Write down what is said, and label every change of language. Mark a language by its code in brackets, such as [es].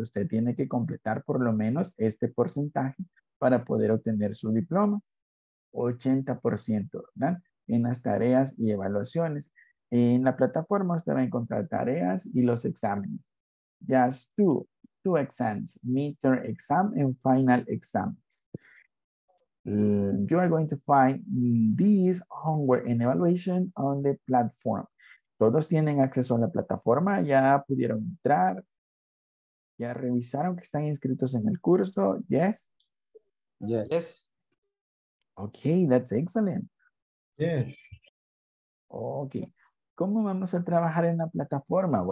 [es] Usted tiene que completar por lo menos este porcentaje para poder obtener su diploma. 80%, ¿verdad? En las tareas y evaluaciones. En la plataforma usted va a encontrar tareas y los exámenes. [en] Just two exams, midterm exam and final exam. You are going to find these homework and evaluation on the platform. [es] Todos tienen acceso a la plataforma, ya pudieron entrar, ya revisaron que están inscritos en el curso, [en] yes? Yes. Okay, that's excellent. Yes. [es] Okay, ¿cómo vamos a trabajar en la plataforma?